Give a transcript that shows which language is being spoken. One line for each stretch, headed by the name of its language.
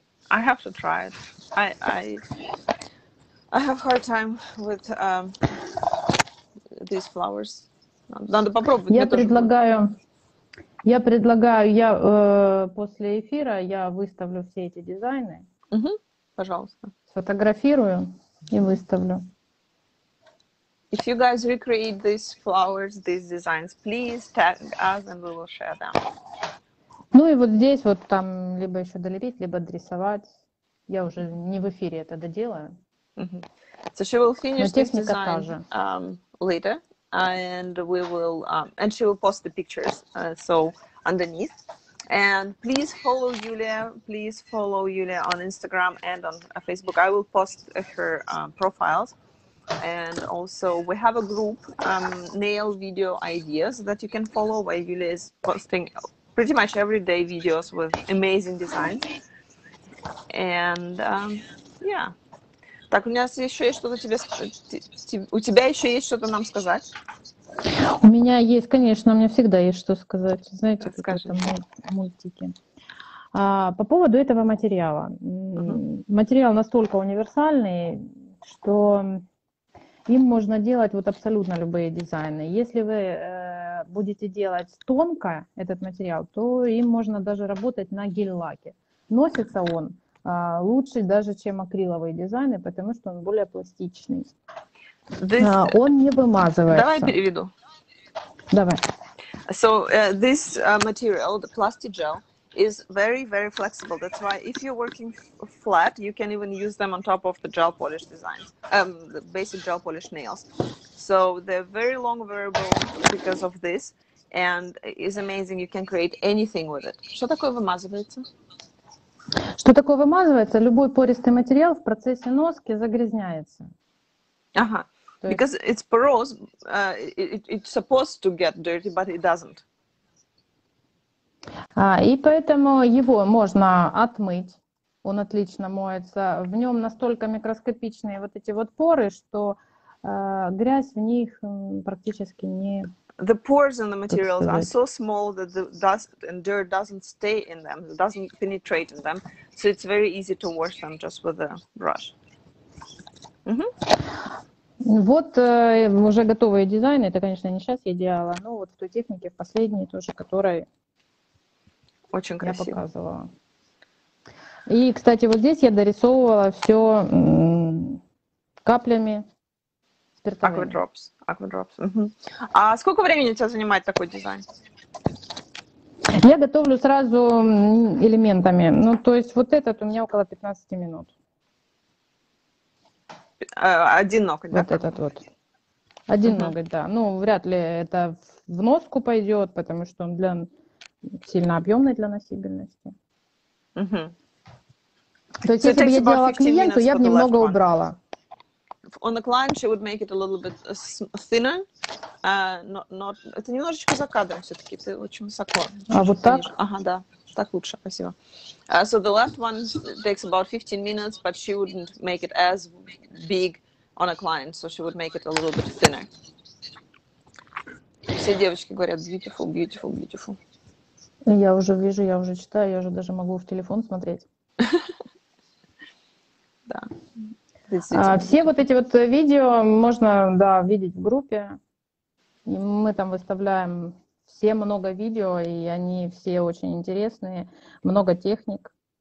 English: I have to try it. I have hard time with these flowers.
Russian: Надо попробовать. Я предлагаю Я предлагаю, я после эфира я выставлю все эти дизайны. Угу, пожалуйста. Сфотографирую и выставлю.
English: If you guys recreate these flowers, these designs, please tag us and we will share them.
Russian: Ну и вот здесь вот там либо еще долепить, либо дорисовать. Я уже не в эфире это доделаю. Mm-hmm.
English: So she will finish this design later, and we will and she will post the pictures so underneath. And please follow Yulia. Please follow Yulia on Instagram and on Facebook. I will post her profiles. And also, we have a group, Nail Video Ideas, that you can follow, where Yulia is posting pretty much everyday videos with amazing designs. And, yeah.
Russian: Так, у меня еще есть что-то тебе... У тебя еще есть что-то нам сказать? У меня есть, конечно, у меня всегда есть что сказать. Знаете, какие-то мультики. По поводу этого материала. Uh-huh. Материал настолько универсальный, что... Им можно делать вот абсолютно любые дизайны. Если вы будете делать тонко этот материал, то им можно даже работать на гель-лаке. Носится он лучше даже, чем акриловые дизайны, потому что он более пластичный. This... он не вымазывается. Давай переведу. Давай.
English: So this material, the plastic gel, is very, very flexible. That's why if you're working flat, you can even use them on top of the gel polish designs, the basic gel polish nails. So they're very long wearable because of this, and it's amazing. You can create anything with it.
Russian: Что такое вымазывается? Что такое вымазывается? Любой пористый материал в процессе носки загрязняется. Ага.
English: Because it's porous, it's supposed to get dirty, but it doesn't.
Russian: И поэтому его можно отмыть, он отлично моется. В нем настолько микроскопичные вот эти вот поры, что грязь в них практически не...
English: The pores in the materials are so small that the dust and dirt doesn't stay in them, doesn't penetrate in them, so it's very easy to wash them just with a brush. Mm-hmm.
Russian: Вот уже готовые дизайны, это, конечно, не сейчас я делала, но вот в той технике, в последней тоже, которой... Очень красиво. Я показывала. И, кстати, вот здесь я дорисовывала все каплями спиртовыми.
English: Aquadrops. Aquadrops. Uh-huh.
Russian: А сколько времени у тебя занимает такой дизайн? Я готовлю сразу элементами. Ну, то есть вот этот у меня около 15 минут. Один ноготь, вот да? Вот этот вот. Один uh-huh. ноготь, да. Ну, вряд ли это в носку пойдет, потому что он для... сильно объемный для носибельности. Mm-hmm. То есть, so если бы я делала клиенту, я бы немного убрала.
English: On the client, she would make it a little bit thinner.
Russian: Это немножечко за кадром все-таки, ты очень высоко. А вот так? Ага, да, так лучше, спасибо.
English: So the left one takes about 15 minutes, but she wouldn't make it as big on a client, so she would make it a little bit thinner.
Russian: Все девочки говорят
English: beautiful, beautiful, beautiful.
Russian: Я уже вижу, я уже читаю, я уже даже могу в телефон смотреть. Да. Все вот эти вот видео можно, да, видеть в группе. И мы там выставляем все много видео, и они все очень интересные, много техник.